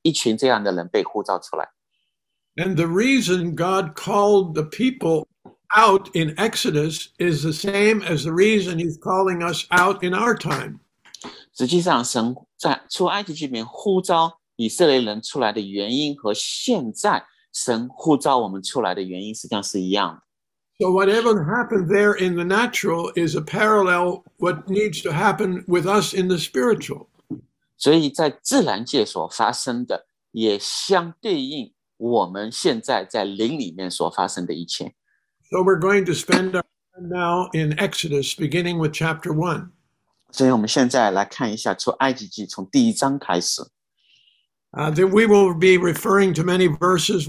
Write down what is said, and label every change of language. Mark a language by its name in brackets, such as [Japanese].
[Chinese] 就像这个教会天国议会是一群被特别呼召出来的人，同样的，在出埃及记里面也是有一群这样的人被呼召出来。And [English] the reason God called the people out in Exodus is the same as the reason He's calling us out in our time. [Chinese] 实际上，神在出埃及记里面呼召以色列人出来的原因和现在神呼召我们出来的原因，实际上是一样的。 [English] So whatever happened there in the natural is a parallel what needs to happen with us in the spiritual. [Chinese] 所以在自然界所发生的也相对应我们现在在灵里面所发生的一切。 [English] So we're going to spend our time now in Exodus, beginning with chapter 1. [Chinese] 所以我们现在来看一下从埃及记从第一章开始。 [English] Then we will be referring to many verses.